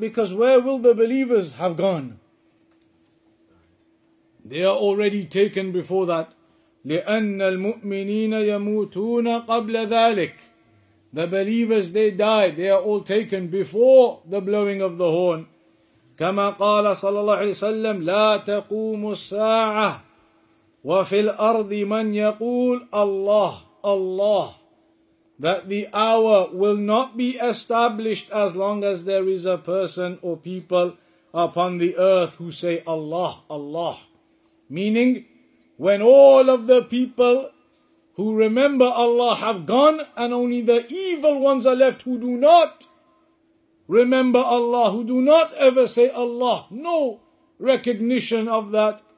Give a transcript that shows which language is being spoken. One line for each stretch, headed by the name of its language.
English: because where will the believers have gone? They are already taken before that.
Arabic: لِأَنَّ الْمُؤْمِنِينَ يَمُوتُونَ قَبْلَ ذَلِكَ.
English: The believers, they die, they are all taken before the blowing of the horn.
Arabic: كما قال صلى الله عليه وسلم لا تقوم الساعة وفي الأرض من يقول الله الله.
English: That the hour will not be established as long as there is a person or people upon the earth who say Allah Allah. Meaning, when all of the people who remember Allah have gone and only the evil ones are left who do not remember Allah, who do not ever say Allah, no recognition of that.